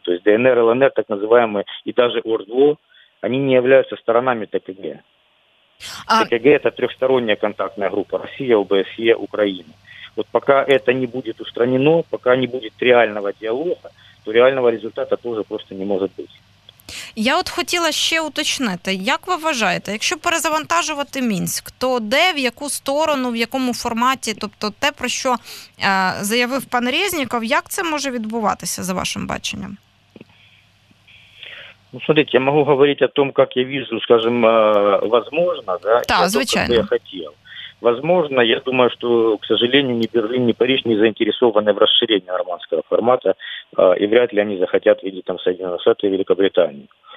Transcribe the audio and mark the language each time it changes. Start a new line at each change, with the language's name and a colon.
Russian: То есть ДНР, ЛНР, так называемые, и даже ОРДЛО, они не являются сторонами ТКГ. ТКГ – это трехсторонняя контактная группа Россия, ОБСЕ, Украина. Вот пока это не будет устранено, пока не будет реального диалога, то реального результата тоже просто не может быть.
Ukrainian: Я от хотіла ще уточнити, як ви вважаєте, якщо перезавантажувати Мінськ, то де, в яку сторону, в якому форматі, тобто те, про що заявив пан Резніков, як це може відбуватися, за вашим баченням?
Russian: Ну, смотрите, я могу говорить о том, как я вижу, скажем, возможно, да,
Ukrainian: да, звичайно,
Russian: я хотел. Возможно, я думаю, что, к сожалению, ни Берлин, ни Париж не заинтересованы в расширении нормандского формата, и вряд ли они захотят видеть там Соединенные Штаты и Великобританию.